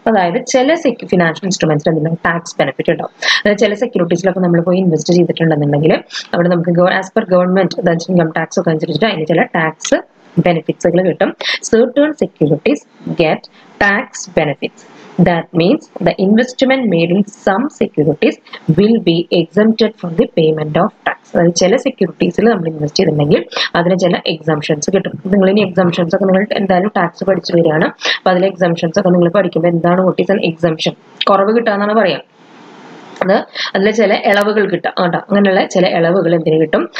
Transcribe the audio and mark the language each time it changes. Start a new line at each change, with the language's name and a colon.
Malayalam: അതായത് ചില ഫിനാൻഷ്യൽ ഇൻസ്ട്രുമെന്റ്സിൽ എന്തെങ്കിലും ടാക്സ് ബെനിഫിറ്റ് ഉണ്ടാവും. അതായത് ചില സെക്യൂരിറ്റീസിലൊക്കെ നമ്മൾ പോയി ഇൻവെസ്റ്റ് ചെയ്തിട്ടുണ്ടെന്നുണ്ടെങ്കിൽ അവിടെ നമുക്ക് as per government income tax ഒക്കെ അനുസരിച്ചിട്ട് അതിന് ചില ടാക്സ് ബെനിഫിറ്റ്സുകൾ കിട്ടും.
English: Certain securities get tax benefits. That means the investment made in some securities will be exempted from the payment of tax.
Malayalam: അതായത് ചില സെക്യൂരിറ്റീസിൽ നമ്മൾ ഇൻവെസ്റ്റ് ചെയ്തിട്ടുണ്ടെങ്കിൽ അതിന് ചില എക്സംഷൻസ് കിട്ടും. നിങ്ങൾ ഇനി എക്സംഷൻസ് ഒക്കെ നിങ്ങൾ എന്തായാലും ടാക്സ് പഠിച്ചു വരികയാണ്. അപ്പൊ അതിലെ എക്സംഷൻസ് ഒക്കെ നിങ്ങൾ പഠിക്കുമ്പോൾ എന്താണ്
English: what is an exemption,
Malayalam: കുറവ് കിട്ടാന്നാണ് പറയാം. അതിലെ ചില ഇളവുകൾ കിട്ടും കേട്ടോ, അങ്ങനെയുള്ള ചില ഇളവുകൾ എന്തിനു കിട്ടും?